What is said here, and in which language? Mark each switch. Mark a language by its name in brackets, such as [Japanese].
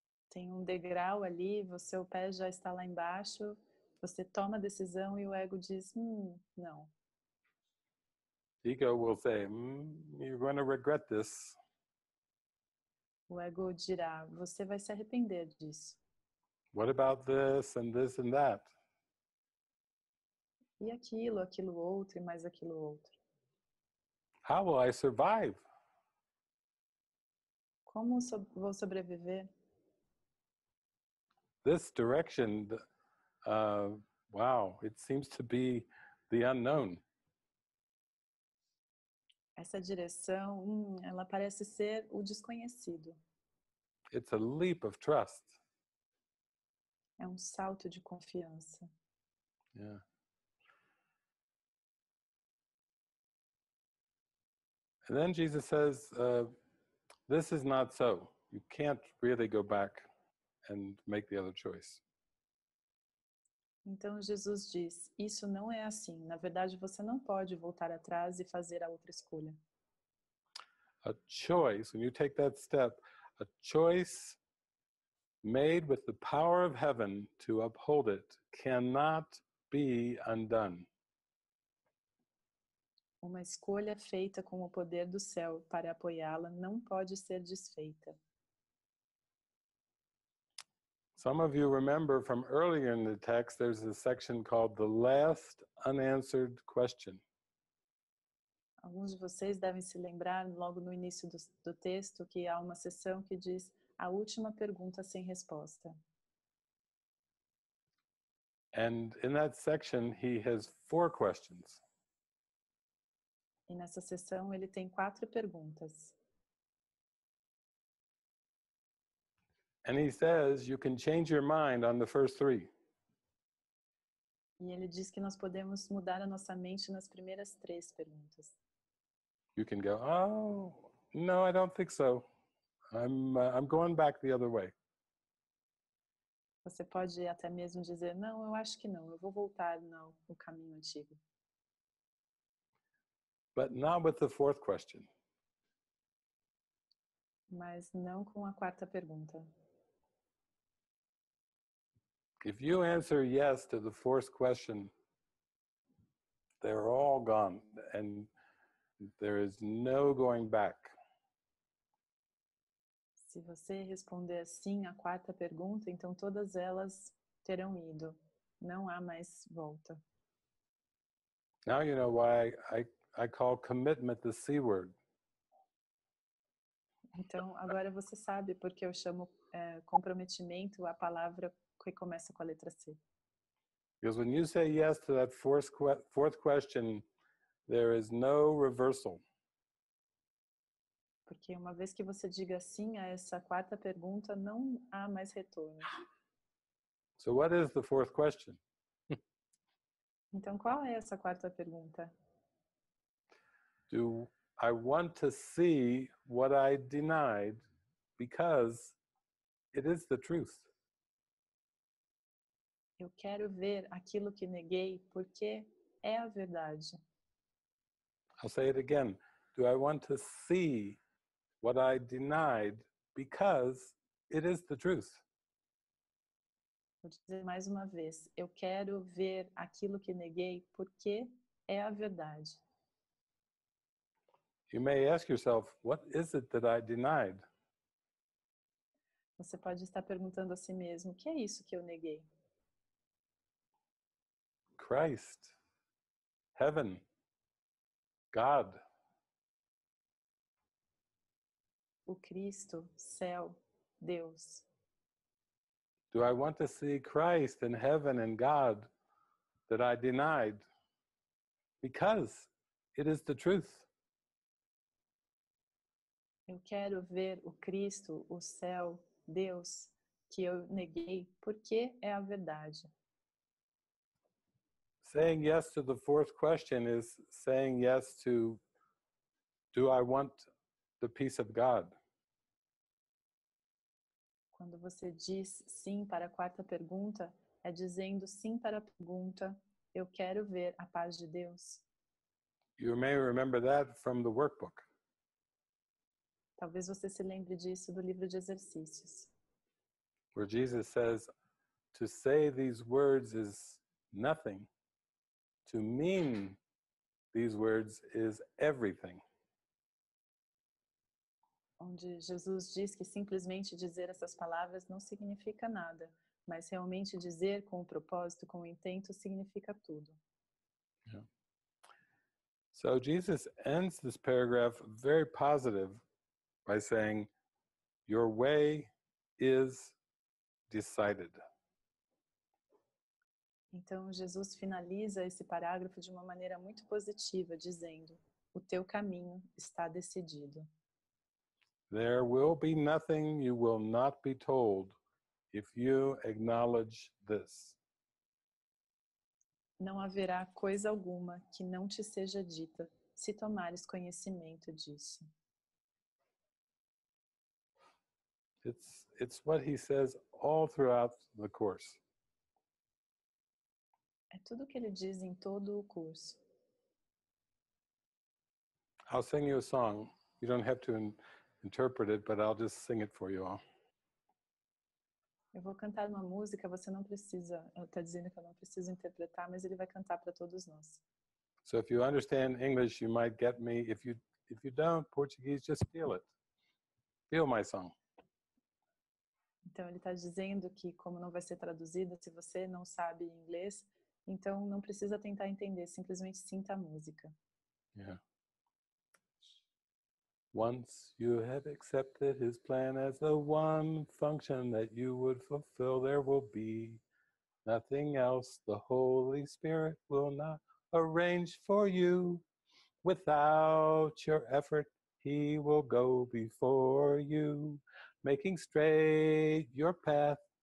[Portuguese] Tem um degrau ali, o seu pé já está lá embaixo, você toma a decisão e o ego diz, não. [English] Ego will say, you're going to regret this. [Portuguese] O ego dirá, você vai se arrepender disso. [English] What about this and this and that? [Portuguese] E aquilo, aquilo outro e mais aquilo outro. [English] How will I survive? [Portuguese] Como vou sobreviver? [English] This direction, it seems to be the unknown. [Portuguese] Essa direção, ela parece ser o desconhecido. [English] It's a leap of trust. [Portuguese] É um salto de confiança. Yeah. [English] And then Jesus says, this is not so. You can't really go back and make the other choice. [Portuguese] Então Jesus diz, isso não é assim. Na verdade, você não pode voltar atrás e fazer a outra escolha. [English] A choice, when you take that step, a choice made with the power of heaven to uphold it cannot be undone. [Portuguese] Uma escolha feita com o poder do céu para apoiá-la não pode ser desfeita. [English] Some of you remember from earlier in the text, there's a section called the last unanswered question. [Portuguese] Alguns de vocês devem se lembrar logo no início do texto que há uma seção que diz a última pergunta sem resposta. [English] And in that section, he has four questions. [Portuguese] E nessa seção, ele tem quatro perguntas. [English] And he says, you can change your mind on the first three. [Portuguese] E ele diz que nós podemos mudar a nossa mente nas primeiras três perguntas. [English] you can go, oh, no, I don't think so. I'm going back the other way. [Portuguese] Você pode até mesmo dizer, não, eu acho que não, eu vou voltar no caminho antigo. [English] But not with the fourth question. [Portuguese] Mas não com a quarta pergunta. [English] If you answer yes to the fourth question, they're all gone and there is no going back. [Portuguese] Se você responder sim à quarta pergunta, então todas elas terão ido. Não há mais volta. [English] Now you know why I call commitment the C word. [Portuguese] Então agora você sabe porque eu chamo comprometimento a palavra que começa com a letra C. [English] Because when you say yes to that fourth question, there is no reversal. [Portuguese] Porque uma vez que você diga sim a essa quarta pergunta, não há mais retorno. [English] So what is the fourth question? [Portuguese] Então qual é essa quarta pergunta? [English] Do I want to see what I denied because it is the truth? [Portuguese] Eu quero ver aquilo que neguei porque é a verdade. [English] I'll say it again. Do I want to see what I denied because it is the truth? [Portuguese] Vou dizer mais uma vez. Eu quero ver aquilo que neguei porque é a verdade. [English] You may ask yourself, what is it that I denied? [Portuguese] Você pode estar perguntando a si mesmo, o que é isso que eu neguei? [English] Christ, heaven, God. [Portuguese] O Cristo, céu, Deus. [English] Do I want to see Christ in heaven and God that I denied? Because it is the truth. [Portuguese] Eu quero ver o Cristo, o céu, Deus, que eu neguei, porque é a verdade. [English] Saying yes to the fourth question is saying yes to, do I want the peace of God? [Portuguese] Quando você diz sim para a quarta pergunta, é dizendo sim para a pergunta, eu quero ver a paz de Deus. [English] You may remember that from the workbook. [Portuguese] Talvez você se lembre disso do livro de exercícios. [English] Where Jesus says, to say these words is nothing. To mean these words is everything. [Portuguese] Onde Jesus diz que simplesmente dizer essas palavras não significa nada, mas realmente dizer com o propósito, com o intento, significa tudo. Yeah. [English] So Jesus ends this paragraph very positive by saying, your way is decided. [Portuguese] Então, Jesus finaliza esse parágrafo de uma maneira muito positiva, dizendo, o teu caminho está decidido. [English] There will be nothing you will not be told if you acknowledge this. [Portuguese] Não haverá coisa alguma que não te seja dita se tomares conhecimento disso. [English] It's what he says all throughout the course. [Portuguese] É tudo o que ele diz em todo o curso. [English] I'll sing you a song. You don't have to interpret it, but I'll just sing it for you all. [Portuguese] Eu vou cantar uma música, você não precisa, ele está dizendo que eu não preciso interpretar, mas ele vai cantar para todos nós. [English] So if you understand English, you might get me. If you don't, Portuguese, just feel it. Feel my song. [Portuguese] Então ele está dizendo que como não vai ser traduzido, se você não sabe inglês, então, não precisa tentar entender, simplesmente sinta a música. Yeah. [English] Once you have accepted his plan as the one function that you would fulfill, there will be nothing else the Holy Spirit will not arrange for you. Without your effort, he will go before you, making straight your path.